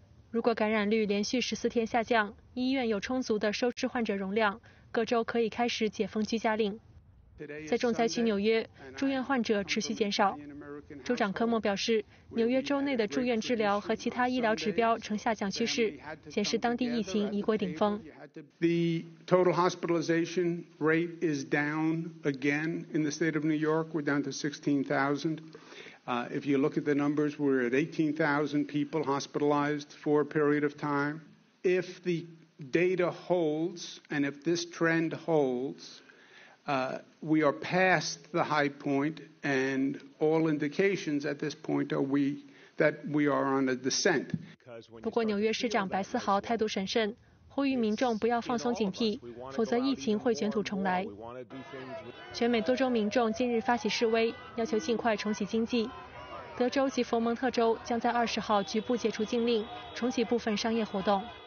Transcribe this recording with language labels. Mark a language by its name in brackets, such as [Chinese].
[Chinese] 如果感染率连续14天下降，医院有充足的收治患者容量，各州可以开始解封居家令。在重灾区纽约，住院患者持续减少。州长科莫表示，纽约州内的住院治疗和其他医疗指标呈下降趋势，显示当地疫情已过顶峰。 [English] The total hospitalization rate is down again in the state of New York. We're down to 16,000. If you look at the numbers, we're at 18,000 people hospitalized for a period of time. If the data holds and if this trend holds, we are past the high point, and all indications at this point are that we are on a descent. [Chinese] 不过，纽约市长白思豪态度审慎，呼吁民众不要放松警惕，否则疫情会卷土重来。全美多州民众近日发起示威，要求尽快重启经济。德州及佛蒙特州将在20号局部解除禁令，重启部分商业活动。